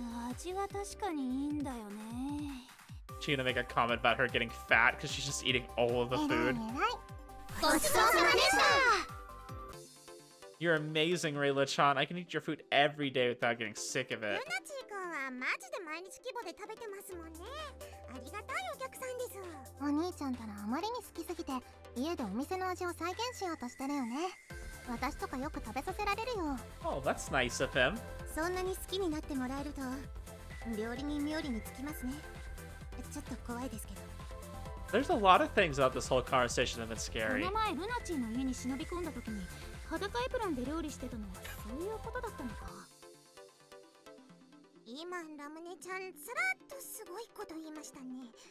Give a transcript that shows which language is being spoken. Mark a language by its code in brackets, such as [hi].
[ja] 味は確かにいいんだよね。 [en] She gonna make a comment about her getting fat because she's just eating all of the food. [ja] ごちそうさまでした。 [en] You're amazing, Rayla-chan. I can eat your food every day without getting sick of it. [ja] ルナチマジで毎日規模で食べてますもんね。ありがたいお客さんです。お兄ちゃんたらあまりに好きすぎて家でお店の味を再現しようとしてるよね。私とかよく食べさせられるよ。 [en] Oh, that's nice of him. [ja] そんなに好きになってもらえると料理人冥利につきますね。ちょっと怖いですけど。 [en] There's a lot of things about this whole conversation that's scary. [ja] この前ルナチーの家に忍び込んだ時に裸エプロンで料理してたのはそういうことだったのか。今ラムネちゃんさらっとすごいこと言いましたね。